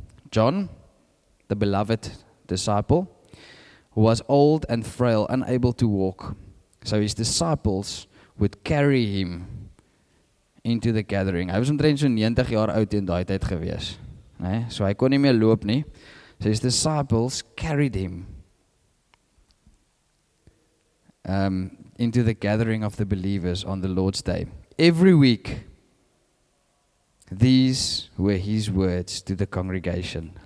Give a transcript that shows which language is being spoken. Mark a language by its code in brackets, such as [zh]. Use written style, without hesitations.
[en] John, the beloved disciple, was old and frail, unable to walk. So his disciples would carry him into the gathering. [af] Hy was omtrent so 90 jaar oud in daai tyd gewees. Nee? So hy kon nie meer loop nie. [en] So his disciples carried him into the gathering of the believers on the Lord's Day. Every week, these were his words to the congregation.